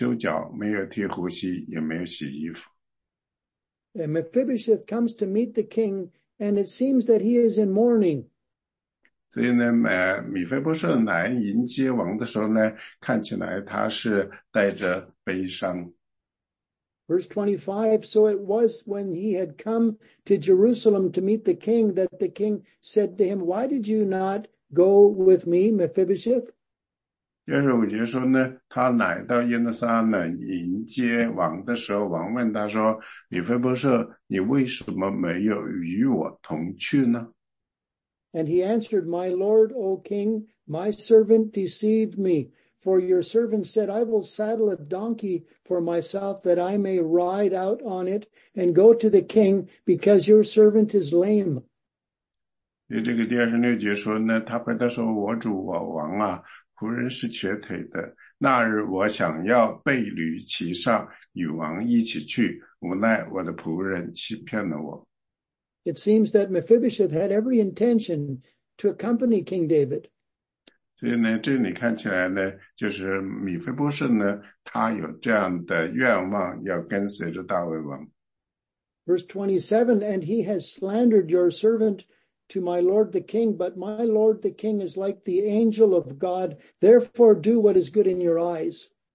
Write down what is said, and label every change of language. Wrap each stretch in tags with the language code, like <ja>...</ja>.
<zh>撒母耳记下第19章第24节说，扫罗的儿子米菲波设也下去迎接王。他自从王去的日子，直到王平平安安的回来，没有修脚，没有剃胡须，也没有洗衣服。</zh> <en>And Mephibosheth comes to meet the king, and it seems that he is in mourning.</en> <zh>所以呢，米菲波设来迎接王的时候呢，看起来他是带着悲伤。</zh> <en>Verse 25, So it was when he had come to Jerusalem to meet the king that the king said to him, Why did you not go with me, Mephibosheth?</en> <zh>25节说呢，他来到耶路撒冷迎接王的时候，王问他说，米菲波设，你为什么没有与我同去呢？</zh> <en>And he answered, My lord, O king, my servant deceived me, For your servant said, I will saddle a donkey for myself that I may ride out on it and go to the king because your servant is lame.</en> <zh>这个第二十六节说呢，他回答说：“我主啊，王啊，仆人是瘸腿的，那日我想要被驴骑上，与王一起去，无奈我的仆人欺骗了我。”</zh> <en>It seems that Mephibosheth had every intention to accompany King David.</en> <zh>所以呢，这里看起来呢，就是米非波设呢，他有这样的愿望，要跟随着大卫王。</zh> <en>Verse 27, and he has slandered your servant to my lord the king, but my lord the king is like the angel of God. Therefore, do what is good in your eyes.</en>